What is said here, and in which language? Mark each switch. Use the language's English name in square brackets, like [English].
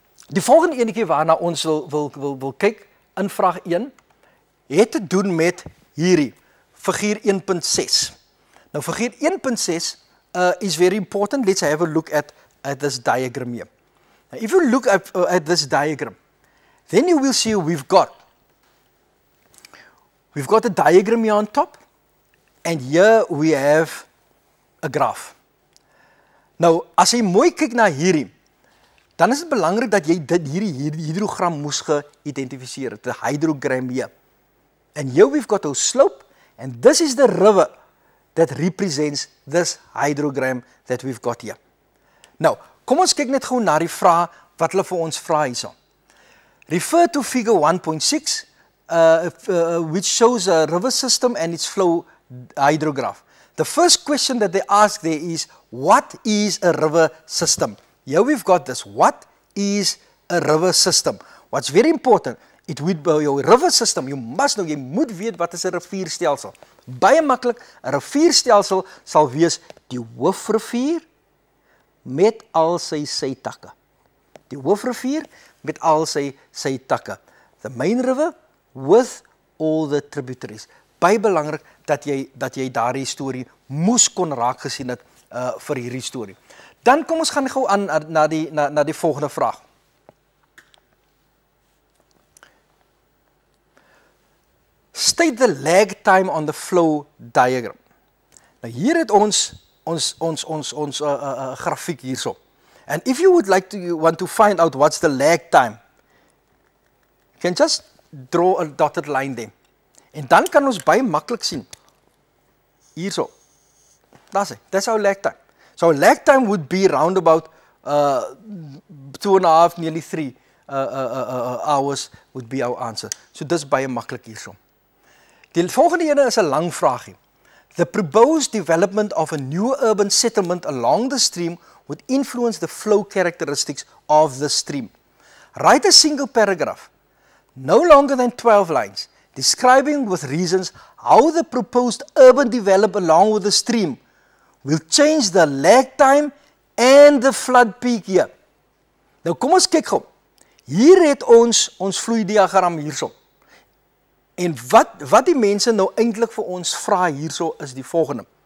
[Afrikaans] Die volgende enigie waarna ons wil kyk in vraag 1 het te doen met hierdie figuur 1.6. Nou figuur 1.6 [English] is very important. Let's have a look at this diagram here. Now, if you look at this diagram, then you will see we've got a diagram here on top, and here we have a graph. [Afrikaans] Nou, as jy mooi kyk na hierdie, dan is het belangrijk dat jy dit hierdie hydrogram moes geïdentificeer, [English] the hydrogram here. And here we've got our slope, and this is the river that represents this hydrogram that we've got here. [Afrikaans] Nou, kom ons kyk net gewoon na die vraag, wat hulle vir ons vraag hierso. [English] Refer to figure 1.6, which shows a river system and its flow hydrograph. The first question that they ask there is, what is a river system? Here we've got this. What is a river system? What's very important, it would be your river system. You must know, [Afrikaans] jy moet weet wat is 'n rivierstelsel. Baie maklik, 'n rivierstelsel sal wees die hoofrivier met al sy takke. Die hoofrivier met al sy takke. [English] The main river with all the tributaries. [Afrikaans] Baie belangrik dat jy daardie storie moes kon raak gesien het vir hierdie storie. Dan kom ons gaan gou aan na die volgende vraag. [English] State the lag time on the flow diagram. [Afrikaans] Nou hier het ons grafiek hierso. [English] And if you would like to want to find out what's the lag time, you can just draw a dotted line there. [Afrikaans] En dan kan ons baie maklik sien hierso. [English] That's our lag time. So lag time would be round about 2.5, nearly 3 hours would be our answer. [Afrikaans] So dis baie maklik hierso. Die volgende ene is 'n lang vraagie. [English] The proposed development of a new urban settlement along the stream would influence the flow characteristics of the stream. Write a single paragraph, no longer than 12 lines, describing with reasons how the proposed urban development along with the stream will change the lag time and the flood peak here. [Afrikaans] Nou kom ons kyk gou. Hier het ons vloeidiagram hierso. En wat die mense nou eintlik vir ons vra hierso is die volgende.